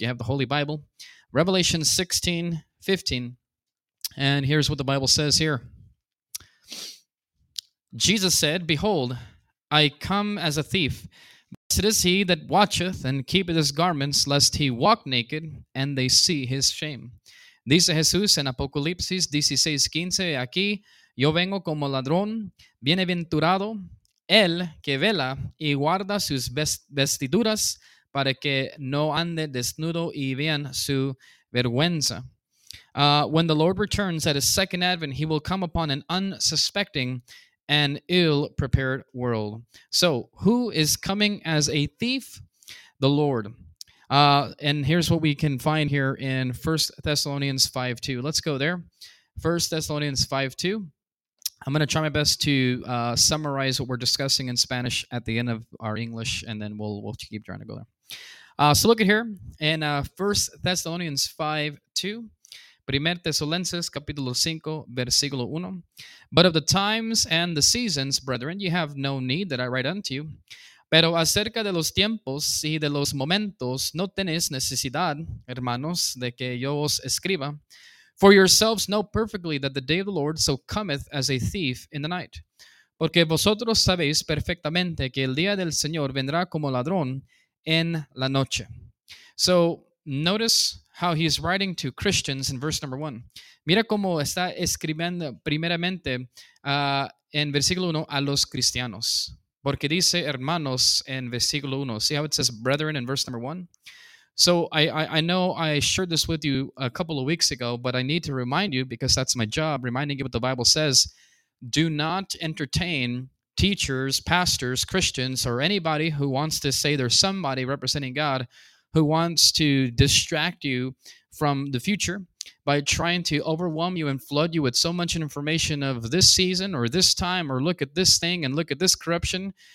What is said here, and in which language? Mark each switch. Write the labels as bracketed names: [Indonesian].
[English] You have the Holy Bible. Revelation 16:15. And here's what the Bible says here. Jesus said, "Behold, I come as a thief. Blessed is he that watcheth and keepeth his garments, lest he walk naked, and they see his shame." [Spanish] Dice Jesús en Apocalipsis 16:15, "Aquí yo vengo como ladrón. Bienaventurado el que vela y guarda sus vestiduras para que no ande desnudo y vean su vergüenza." [English] When the Lord returns at his second advent, he will come upon an unsuspecting and ill-prepared world. So, who is coming as a thief? The Lord. And here's what we can find here in 1 Thessalonians 5:2. Let's go there. 1 Thessalonians 5:2. I'm going to try my best to summarize what we're discussing in Spanish at the end of our English, and then we'll keep trying to go there. So look at here in 1 Thessalonians 5:2. [Spanish] Primer Tesalonicenses, capítulo 5, versículo 1. [English] "But of the times and the seasons, brethren, you have no need that I write unto you. [Spanish] Pero acerca de los tiempos y de los momentos, no tenéis necesidad, hermanos, de que yo os escriba. [English] For yourselves know perfectly that the day of the Lord so cometh as a thief in the night. [Spanish] Porque vosotros sabéis perfectamente que el día del Señor vendrá como ladrón en la noche." [English] So, notice how he's writing to Christians in verse number 1. [Spanish] Mira cómo está escribiendo primeramente en versículo 1 a los cristianos. Porque dice hermanos en versículo 1. [English] See how it says brethren in verse number 1? So I know I shared this with you a couple of weeks ago, but I need to remind you, because that's my job, reminding you what the Bible says. Do not entertain teachers, pastors, Christians, or anybody who wants to say there's somebody representing God who wants to distract you from the future by trying to overwhelm you and flood you with so much information of this season or this time, or look at this thing and look at this corruption.